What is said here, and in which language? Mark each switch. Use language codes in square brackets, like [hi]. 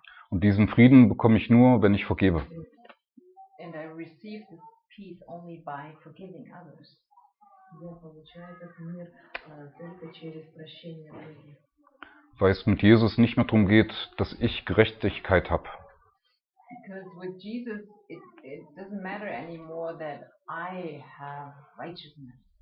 [de] Und diesen Frieden bekomme ich nur, wenn ich vergebe. [en] And I receive this peace only by forgiving others. [de] Weil es mit Jesus nicht mehr darum geht, dass ich Gerechtigkeit habe. [en] Because with Jesus, it doesn't matter anymore that I have righteousness.